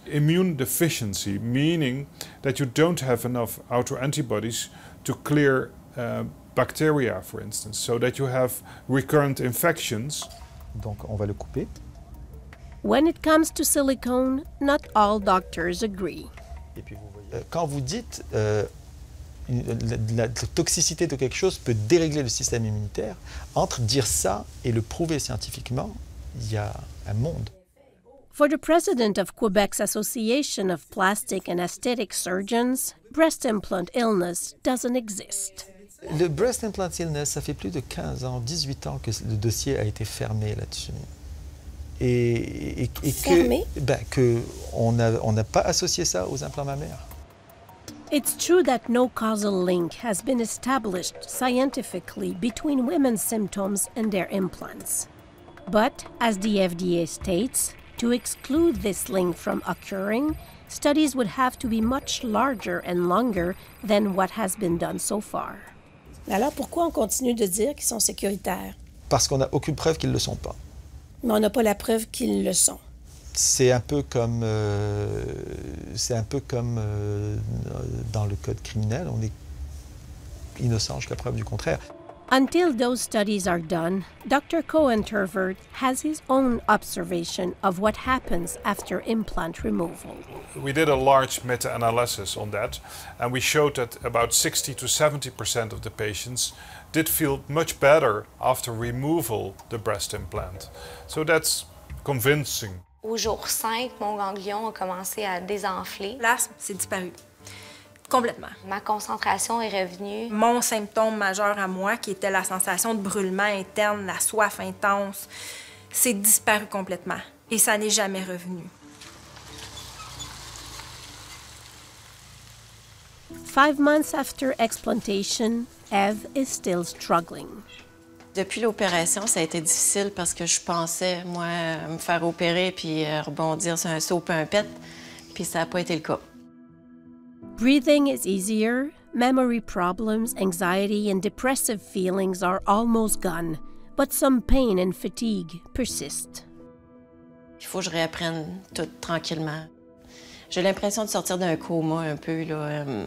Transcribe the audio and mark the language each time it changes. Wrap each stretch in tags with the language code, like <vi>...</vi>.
<en>Immune deficiency, meaning that you don't have enough autoantibodies to clear bacteria, for instance, so that you have recurrent infections.</en> <fr>Donc on va le couper.</fr> <en>When it comes to silicone, not all doctors agree.</en> <fr>Et puis vous voyez, quand vous dites la toxicité de quelque chose peut dérégler le système immunitaire, entre dire ça et le prouver scientifiquement, il y a un monde.</fr> <en>For the president of Quebec's Association of Plastic and Aesthetic Surgeons, breast implant illness doesn't exist.</en> <fr>Le breast implant illness, ça fait plus de 15 ans, 18 ans que le dossier a été fermé là-dessus. Et fermé? Ben, qu'on n'a pas associé ça aux implants mammaires.</fr> <en>It's true that no causal link has been established scientifically between women's symptoms and their implants. But, as the FDA states, to exclude this link from occurring, studies would have to be much larger and longer than what has been done so far.</en> <fr>Alors pourquoi on continue de dire qu'ils sont sécuritaires? Parce qu'on n'a aucune preuve qu'ils ne le sont pas. Mais on n'a pas la preuve qu'ils le sont. C'est un peu comme, dans le code criminel, on est innocent jusqu'à preuve du contraire.</fr> <en>Until those studies are done, Dr. Cohen-Turvert has his own observation of what happens after implant removal. We did a large meta-analysis on that, and we showed that about 60 to 70% of the patients did feel much better after removal of the breast implant. So that's convincing.</en> <fr>Au jour 5, mon ganglion a commencé à désenfler. Là, c'est disparu. Complètement. Ma concentration est revenue. Mon symptôme majeur à moi, qui était la sensation de brûlement interne, la soif intense, c'est disparu complètement. Et ça n'est jamais revenu.</fr> <en>Five months after explantation, Eve is still struggling.</en> <fr>Depuis l'opération, ça a été difficile parce que je pensais, moi, me faire opérer puis rebondir sur un saut puis un pet, puis ça n'a pas été le cas.</fr> <en>Breathing is easier, memory problems, anxiety and depressive feelings are almost gone, but some pain and fatigue persist.</en> <fr>Il faut que je réapprenne tout tranquillement. J'ai l'impression de sortir d'un coma un peu, là.</fr>